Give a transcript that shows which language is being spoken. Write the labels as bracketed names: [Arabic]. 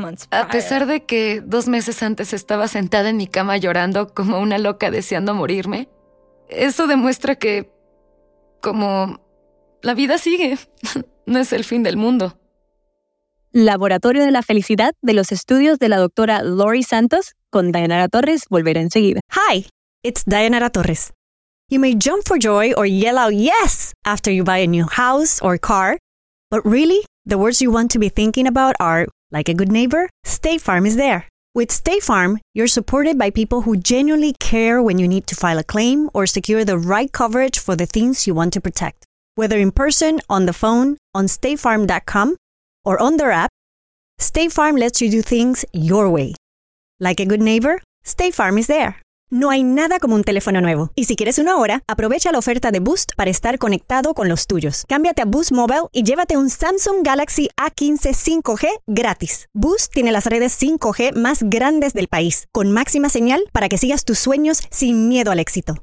[Spanish] a pesar de que 2 meses antes estaba sentada en mi cama llorando como una loca deseando morirme, eso demuestra que, como, la vida sigue. No es el fin del mundo. Laboratorio de la Felicidad, de los estudios de la doctora Lori Santos, con Dayanara Torres, volverá enseguida. [English] Hi, it's Dayanara Torres. You may jump for joy or yell out yes after you buy a new house or car, but really, the words you want to be thinking about are, like a good neighbor, State Farm is there. With State Farm, you're supported by people who genuinely care when you need to file a claim or secure the right coverage for the things you want to protect. Whether in person, on the phone, on statefarm.com, or on their app, State Farm lets you do things your way. Like a good neighbor, State Farm is there. [Spanish] No hay nada como un teléfono nuevo. Y si quieres uno ahora, aprovecha la oferta de Boost para estar conectado con los tuyos. Cámbiate a Boost Mobile y llévate un Samsung Galaxy A15 5G gratis. Boost tiene las redes 5G más grandes del país, con máxima señal para que sigas tus sueños sin miedo al éxito.